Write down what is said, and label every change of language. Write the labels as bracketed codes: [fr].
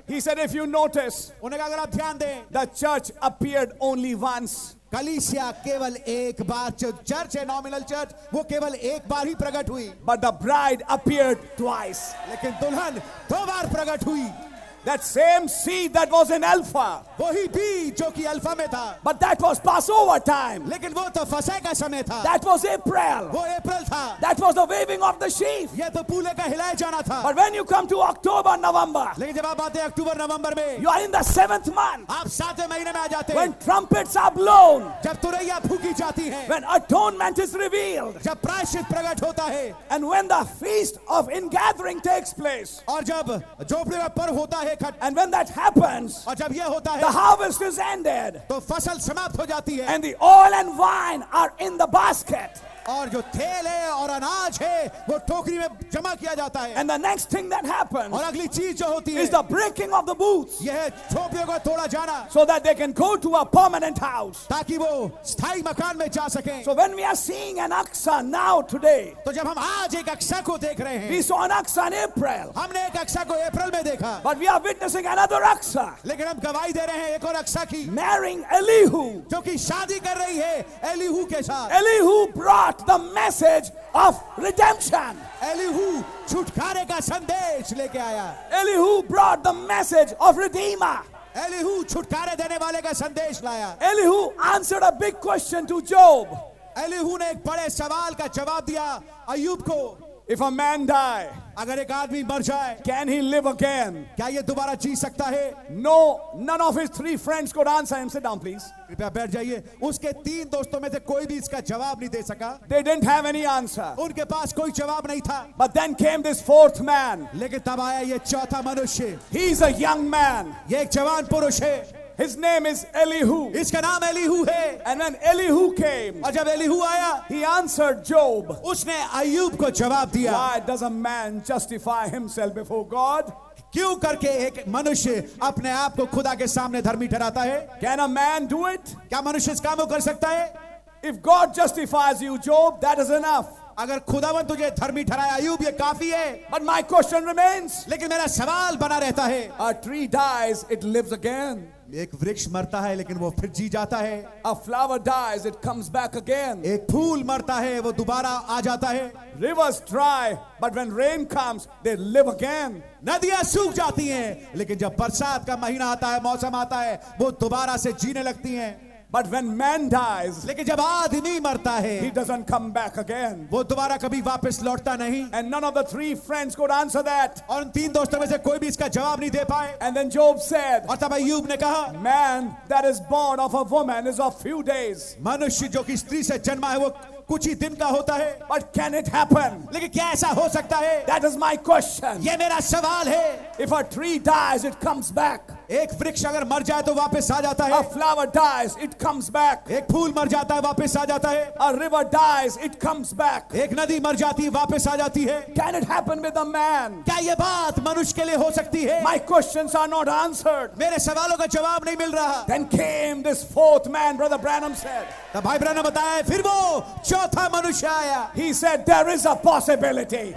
[en] He said, if you notice, [hi] उन्हें कहा अगर आप ध्यान दें, [en] the church appeared only once. [hi] कलीसिया केवल एक बार चर्च है नॉमिनल चर्च वो केवल एक बार ही प्रकट हुई [en] but the bride appeared twice [hi] लेकिन दुल्हन दो बार प्रकट हुई [en] That same seed that was in Alpha. [hi] Wohi bij jo ki Alpha mein tha. [en] But that was Passover time. [hi] Lekin wo to fasah ka samay tha. [en] That was April. [hi] Wo April tha. [en] That was the waving of the sheaf. [hi] Ye to poole ka hilaya jana tha. [en] But when you come to October, November. [hi] Lekin jab aap aate October, November mein. [en] You are in the seventh month. [hi] Aap saate mahine mein aa jaate. [en] When trumpets are blown. [hi] Jab turaiya phuki jaati hai. [en] When atonement is revealed. [hi] Jab prayashchit prakat hota hai. [en] And when the feast of ingathering takes place. [hi] Aur jab jhopde ka parv hota hai. [en] And when that happens, the harvest is ended, and the oil and wine are in the basket. [hi] और जो तेल है और अनाज है वो टोकरी में जमा किया जाता है [en] and the next thing that happens [hi] और अगली चीज जो होती है [en] is the breaking of the booths [hi] यह टोपियों को तोड़ा जाना [en] so that they can go to a permanent house [hi] ताकि वो स्थायी मकान में जा सकें [en] so when we are seeing an Achsah now today [hi] तो जब हम आज एक अक्सा को देख रहे हैं [en] we saw an Achsah in April [hi] हमने एक अक्सा को अप्रैल में देखा [en] but we are witnessing another Achsah [hi] लेकिन हम गवाही दे रहे हैं एक और अक्सा की [en] marrying Elihu [hi] जो की शादी कर रही है एलीहू के साथ [en] Elihu brought The message of redemption. [hi] Elihu, छुटकारे का संदेश लेके आया. [en] Elihu brought the message of redeemer. [hi] Elihu, छुटकारे देने वाले का संदेश लाया. [en] Elihu answered a big question to Job. [hi] Elihu ने एक बड़े सवाल का जवाब दिया अय्यूब को. [en] If a man die, [hi] अगर एक आदमी मर जाए, [en] can he live again? [hi] क्या ये दोबारा जी सकता है? [en] No, none of his three friends could answer him. Sit down, please. [hi] कृपया बैठ जाइए. उसके तीन दोस्तों में से कोई भी इसका जवाब नहीं दे सका. [en] They didn't have any answer. [hi] उनके पास कोई जवाब नहीं था. [en] But then came this fourth man. [hi] लेकिन तब आया ये चौथा मनुष्य. [en] He is a young man. [hi] ये एक जवान पुरुष है. [en] His name is Elihu. [hi] इसका नाम एलीहू है. [en] And when Elihu came, [hi] और जब एलीहू आया, [en] he answered Job. [hi] उसने अय्यूब को जवाब दिया. [en] Why does a man justify himself before God? [hi] क्यों करके एक मनुष्य अपने आप को खुदा के सामने धर्मी ठहराता है? [en] Can a man do it? [hi] क्या मनुष्य इस काम को कर सकता है? [en] If God justifies you, Job, that is enough. [hi] अगर खुदावंत तुझे धर्मी ठहराया अय्यूब ये काफी है [en] but my question remains [hi] लेकिन मेरा सवाल बना रहता है [en] a tree dies it lives again [hi] एक वृक्ष मरता है लेकिन वो फिर जी जाता है [en] a flower dies it comes back again [hi] एक फूल मरता है वो दोबारा आ जाता है [en] rivers dry but when rain comes they live again [hi] नदियां सूख जाती हैं लेकिन जब बरसात का महीना आता है मौसम आता है वो दोबारा से जीने लगती हैं [en] But when man dies, [hi] लेकिन जब आदमी मरता है, [en] he doesn't come back again. [hi] वो दोबारा कभी वापस लौटता नहीं. [en] And none of the three friends could answer that. [hi] और उन तीन दोस्तों में से कोई भी इसका जवाब नहीं दे पाए. [en] And then Job said, [hi] और तब अय्यूब ने कहा, [en] man that is born of a woman is of few days. [hi] मनुष्य जो कि स्त्री से जन्मा है वो कुछ ही दिन का होता है. [en] But can it happen? [hi] लेकिन क्या ऐसा हो सकता है? [en] That is my question. [hi] ये मेरा सवाल है. [en] If a tree dies, it comes back. [hi] एक वृक्ष अगर मर जाए तो वापस आ जाता है [en] A flower dies, it comes back. [hi] एक फूल मर जाता है वापस आ जाता है [en] A river dies, it comes back. [hi] एक नदी मर जाती है वापस आ जाती है [en] Can it happen with a man? [hi] क्या ये बात मनुष्य के लिए हो सकती है [en] My questions are not answered. [hi] मेरे सवालों का जवाब नहीं मिल रहा [en] Then came this fourth man, Brother Branham said. [hi] तब भाई ब्रैनम बताया फिर वो चौथा मनुष्य आया [en] He said, There is a possibility.